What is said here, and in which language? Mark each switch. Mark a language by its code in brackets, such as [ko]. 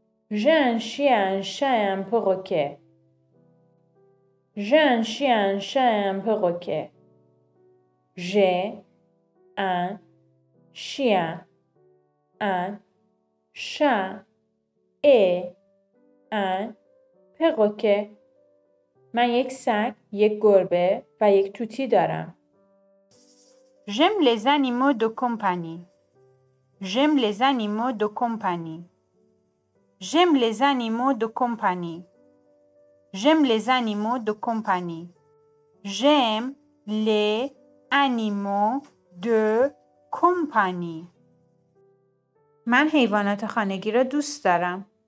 [fr] J'ai un chien, un chat et un perroquet. J'ai un chien, un chat et un perroquet. J'ai un chien, un chat et un perroquet. [fa] من یک سگ، یک گربه و یک توتی دارم. [fr] J'aime les animaux de compagnie. J'aime les animaux de compagnie. J'aime les animaux de compagnie. J'aime les animaux de compagnie. J'aime les animaux de compagnie. [fa] من حیوانات خانگی را دوست دارم.